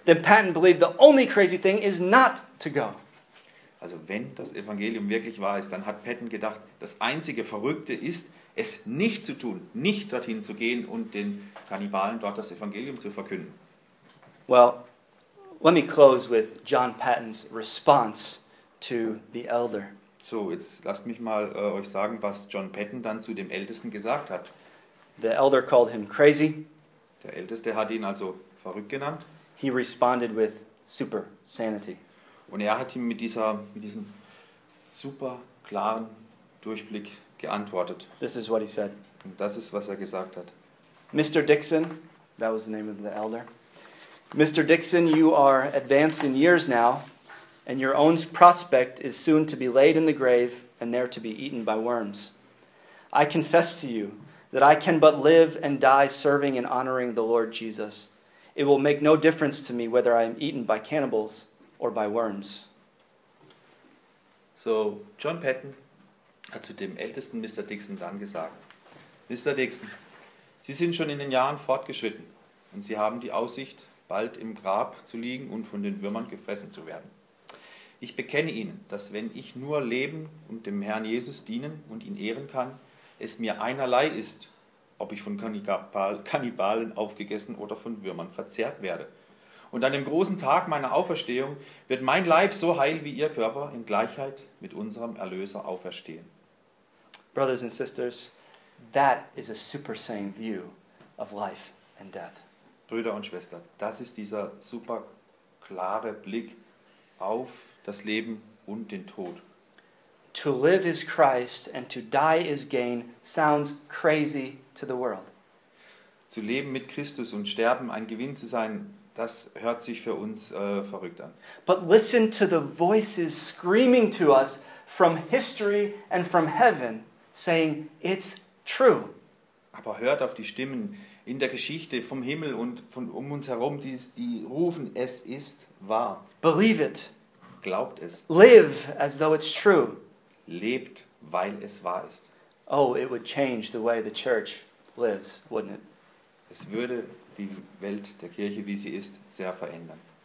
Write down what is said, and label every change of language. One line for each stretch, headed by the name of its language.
English: then Patton believed the only crazy thing is not to go.
German: Also wenn das Evangelium wirklich wahr ist, dann hat Patton gedacht, das einzige Verrückte ist, es nicht zu tun, nicht dorthin zu gehen und den Kannibalen dort das Evangelium zu verkünden.
English: Well, let me close with John Patton's response to the elder.
German: So, jetzt lasst mich mal euch sagen, was John Patton dann zu dem Ältesten gesagt hat.
English: The elder called him crazy.
German: Der Älteste hat ihn also verrückt genannt.
English: He responded with super sanity.
German: Und er hat ihm mit diesem super klaren Durchblick geantwortet.
English: This is what he said.
German: Und das ist, was er gesagt hat.
English: Mr. Dixon, that was the name of the elder. Mr. Dixon, you are advanced in years now, and your own prospect is soon to be laid in the grave and there to be eaten by worms. I confess to you that I can but live and die serving and honoring the Lord Jesus. It will make no difference to me whether I am eaten by cannibals or by worms.
German: So, John Patton hat zu dem Ältesten Mr. Dixon dann gesagt, Mr. Dixon, Sie sind schon in den Jahren fortgeschritten und Sie haben die Aussicht, bald im Grab zu liegen und von den Würmern gefressen zu werden. Ich bekenne Ihnen, dass wenn ich nur leben und dem Herrn Jesus dienen und ihn ehren kann, es mir einerlei ist, ob ich von Kannibalen aufgegessen oder von Würmern verzehrt werde. Und an dem großen Tag meiner Auferstehung wird mein Leib so heil wie Ihr Körper in Gleichheit mit unserem Erlöser auferstehen.
English: Brothers and sisters, that is a super sane view of life and death.
German: Brüder und Schwestern, das ist dieser super klare Blick auf das Leben und den Tod.
English: To live is Christ and to die is gain sounds crazy to the world.
German: Zu leben mit Christus und sterben ein Gewinn zu sein, das hört sich für uns verrückt an.
English: But listen to the voices screaming to us from history and from heaven saying it's true.
German: Aber hört auf die Stimmen in der Geschichte vom Himmel und von um uns herum, die rufen, es ist wahr.
English: Believe it.
German: Glaubt es.
English: Live as though it's true.
German: Lebt, weil es wahr ist.
English: Oh, it would change the way the church lives, wouldn't it?
German: Es würde die Welt der Kirche, wie sie ist, sehr verändern.